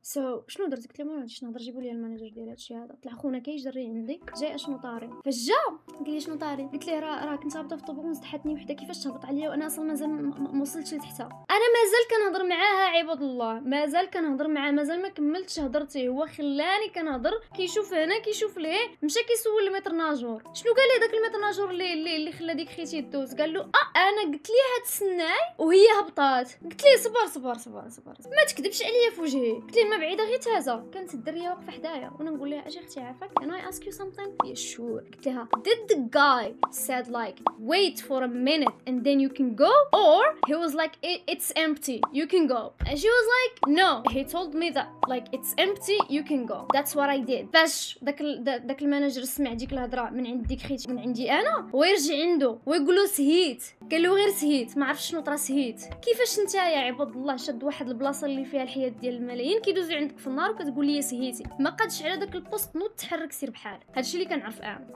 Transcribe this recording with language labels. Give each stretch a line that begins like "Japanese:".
Arabic: سو شنو درت؟ قلت لهم ما غاديش نهضر، جيبوا لي المانجر ديال هادشي هذا. طلع خونا كيجري عندي جاي اشنو طاري، فجا قال لي شنو طاري؟ قلت ليه راه كنت هابطه في الطوبون وصدحتني وحده، كيفاش تهبط عليا وانا اصلا مازال ما وصلتش لتحتها؟ انا مازال كنهضر معاها عباد الله، مازال كنهضر معاها، مازال ما كملتش هضرتي، هو خلاني كنهضر كيشوف هنا كيشوف ليه مشى كيسول المتر ناجور. شنو قال لي داك المتر ناجور اللي خلى ديك خيتي دوز؟ قال له انا قلت ليها تسناي وهي هبطات. قلت ليه صبر صبر صبر صبر ما تكذبش عليا في وجهي. قلت ليه ما بعيده غير تازا. كانت الدريه واقفه حدايا وانا نقول لها اجي اختي عافاك انا
English: I ask you something. Yeah sure.
Arabic: قلت لها
English: did the guy said like wait for a minute and then you can go or he was like it's empty you can go and she was like no he told me that like it's empty you can go that's what I did.
Arabic: باش داك المانجر سمع ديك الهضره من عند ديك خيتي من عندي انا ويرجع عنده ويقول له سهيت. قال له غير سهيت ما عرفتش شنو طرا سهيت. كيفاش انت يا عباد الله شاد واحد البلاصه اللي فيها الحياه ديال الملايين كيدوزوا عندك في النار وكتقول لي سهيتي؟ ما قادش على داك البوست نوض تحرك سير بحال هادشي اللي كنعرف انا.